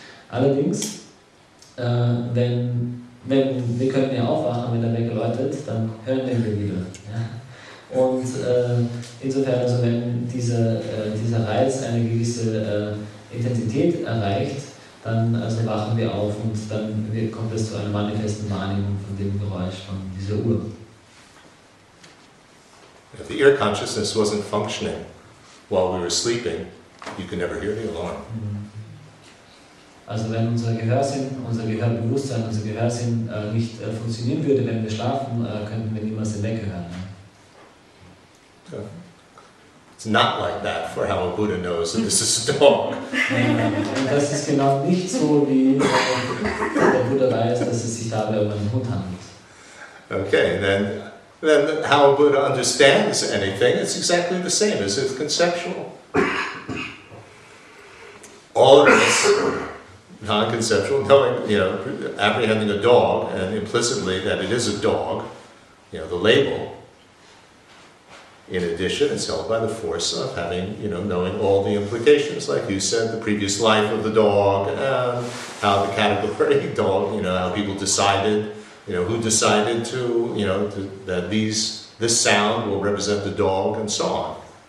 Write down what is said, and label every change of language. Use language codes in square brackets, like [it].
[de] Allerdings, wenn wir können ja aufwachen, wenn der Wecker läutet, dann hören wir wieder. Ja? Und insofern, also wenn dieser Reiz eine gewisse Intensität erreicht, dann also wachen wir auf und dann kommt es zu einer manifesten Wahrnehmung von dem Geräusch von dieser Uhr. [en] If the ear consciousness wasn't functioning while we were sleeping, you could never hear the alarm. Mm-hmm. [de] Also wenn unser Gehörsinn nicht funktionieren würde, wenn wir schlafen, könnten wir niemals hinweghören. [en] It's not like that for how a Buddha knows that this is a dog. [de] Das ist genau nicht so, wie der Buddha weiß, dass es sich dabei um einen Hund handelt. [en] Okay, then how a Buddha understands anything, it's exactly the same as if conceptual. All of this non-conceptual, knowing, you know, apprehending a dog, and implicitly that it is a dog, you know, the label, in addition, it's held by the force of having, you know, knowing all the implications, like you said, the previous life of the dog, and how the category dog, you know, how people decided, you know, who decided to, you know, that this sound will represent the dog, and so on.